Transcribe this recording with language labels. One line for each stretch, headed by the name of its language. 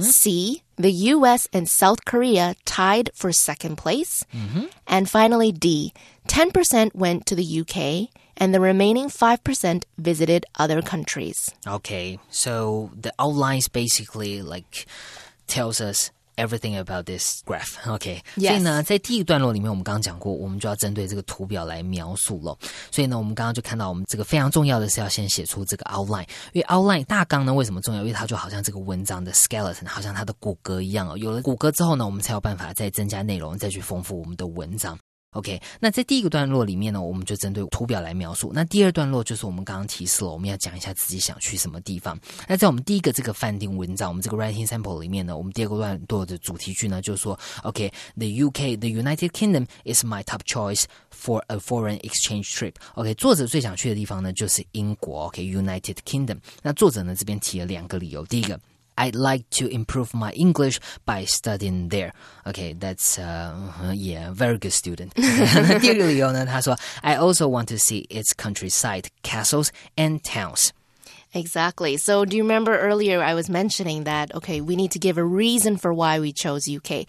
English: C, the U.S. and South Korea tied for second place. Mm-hmm. And finally, D, 10% went to the U.K. and the remaining 5% visited other countries. Okay, so the outlines basically like tells us everything about this graph. Okay. Yes.
Chinese: 所以呢在第一段落里面我们刚刚讲过我们就要针对这个图表来描述了。所以呢我们刚刚就看到我们这个非常重要的是要先写出这个 outline。因为 outline 大纲呢为什么重要因为它就好像这个文章的 skeleton, 好像它的骨骼一样。有了骨骼之后呢我们才有办法再增加内容再去丰富我们的文章。 OK, 那在第一个段落里面呢我们就针对图表来描述。那第二段落就是我们刚刚提示了我们要讲一下自己想去什么地方。那在我们第一个这个范定文章我们这个
English: writing sample
Chinese: 里面呢我们第二个段落的主题句呢就是说 OK,
English: the UK, the United Kingdom is my top choice for a foreign exchange trip.
Chinese: OK, 作者最想去的地方呢就是英国 OK, United Kingdom. 那作者呢这边提了两个理由。第一个
English: I'd like to improve my English by studying there. Okay, that's, yeah, very good student.
Chinese: 第二个理由呢,他说,
English: I also want to see its countryside, castles and towns. Exactly. So do you remember earlier I was mentioning that, okay, we need to give a reason for why we chose UK.